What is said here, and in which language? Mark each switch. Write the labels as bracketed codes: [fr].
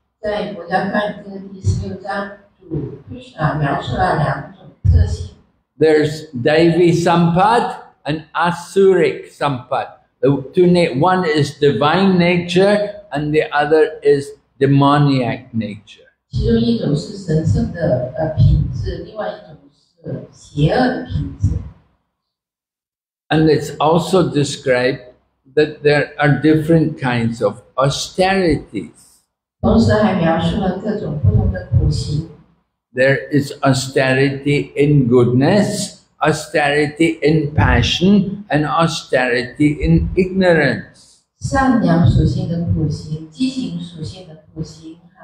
[zh] 在《摩迦梵歌》第十六章，主Krishna描述了两种特性。 [en] There's Daivi Sampat and Asuric Sampat. One is divine nature, and the other is demoniac nature. [zh] 其中一种是神圣的品质，另外一种是邪恶的品质。And [en] it's also described that there are different kinds of austerities. [zh] 同时还描述了各种不同的苦行。 [en] There is austerity in goodness, austerity in passion, and austerity in ignorance. [zh] 善良属性的苦行，激情属性的苦行，还有这个